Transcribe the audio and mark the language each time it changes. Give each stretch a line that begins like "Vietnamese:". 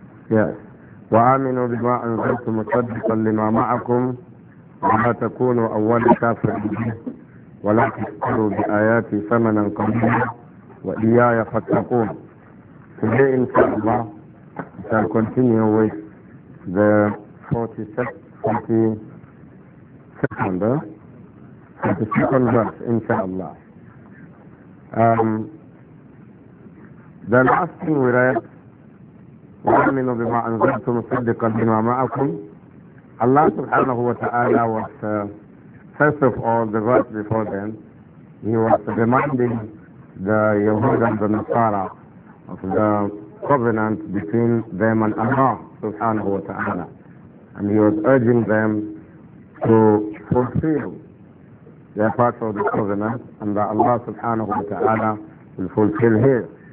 English: Yes.
Arabic: وَآمِنُوا بِمَا أَنْزَلْتُ مُصَدِّقًا لِمَا مَعَكُمْ وَلَا تَكُونُوا أَوَّلَ كَافِرٍ وَلَا تَشْتَرُوا بِآيَاتِي ثَمَنًا قَلِيلًا وَإِيَّايَ فَاتَّقُونِ.
English: Today, inshallah, we shall continue with the 42nd verse, inshallah. The last thing we read,
Arabic: وَأَمِنُوا بِمَا أَنْزَلْتُمْ صِدِّقًا بِمَا مَعَكُمْ.
English: Allah subhanahu wa ta'ala was, first of all, the verse before then, he was reminding the Yahud and the Nasara of the covenant between them and Allah subhanahu wa ta'ala, and he was urging them to fulfill their part of the covenant and that Allah subhanahu wa ta'ala will fulfill his.